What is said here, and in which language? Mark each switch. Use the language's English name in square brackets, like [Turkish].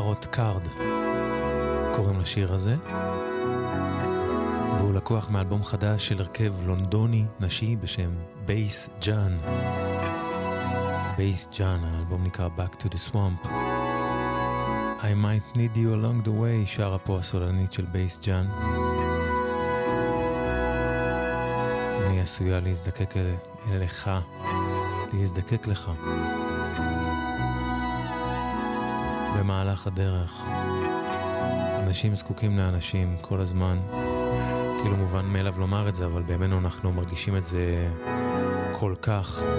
[Hebrew] קארד קוראים לשיר הזה, והוא לקוח מאלבום חדש של הרכב לונדוני נשי בשם בייס ג'אן. בייס ג'אן, האלבום נקרא Back to the Swamp. [English] I might need you along the way, [Hebrew] שרה פה הסולנית של בייס ג'אן. אני עשויה להזדקק אליך, להזדקק לך במהלך הדרך. אנשים זקוקים לאנשים כל הזמן, כאילו מובן מאליו לומר את זה, אבל בימינו אנחנו מרגישים את זה כל כך.